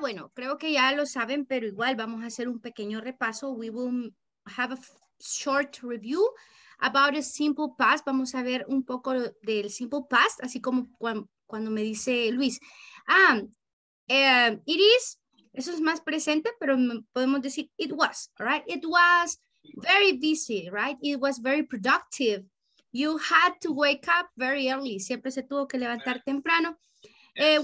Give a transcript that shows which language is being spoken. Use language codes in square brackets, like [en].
[es] Bueno, creo que ya lo saben, pero igual vamos a hacer un pequeño repaso. [en] We will have a short review about a simple past. [es] Vamos a ver un poco del simple past, así como cuando me dice Luis. [en] It is... [es] Eso es más presente, pero podemos decir [en] it was, right? It was very busy, right? It was very productive. You had to wake up very early. [es] Siempre se tuvo que levantar temprano. [en] Yes.